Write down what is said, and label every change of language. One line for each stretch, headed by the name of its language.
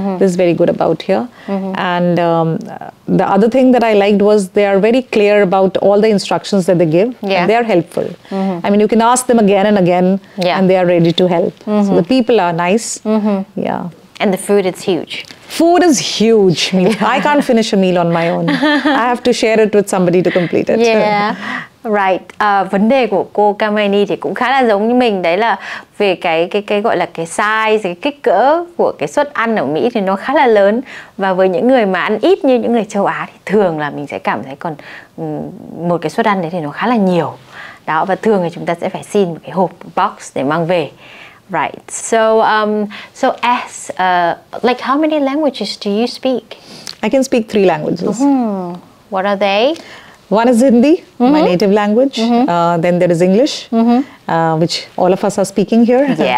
English: This is very good about here. And the other thing that I liked was they are very clear about all the instructions that they give. And they are helpful. I mean, you can ask them again and again and they are ready to help. So the people are nice. Yeah. And the food is huge. Food is huge. I can't finish a meal on my own. I have to share it with somebody to complete it. Right.
Vietnamese: Vấn đề của cô Kamayani thì cũng khá là giống như mình, đấy là về cái gọi là cái size, cái kích cỡ của cái suất ăn ở Mỹ thì nó khá là lớn, và với những người mà ăn ít như những người châu Á thì thường là mình sẽ cảm thấy còn một cái suất ăn đấy thì nó khá là nhiều. Đó, và thường thì chúng ta sẽ phải xin một cái hộp box để mang về.
English: Right. So so as like how many languages do you speak? I can speak three languages. What are they? One is Hindi, my native language. Then there is English, which all of us are speaking here.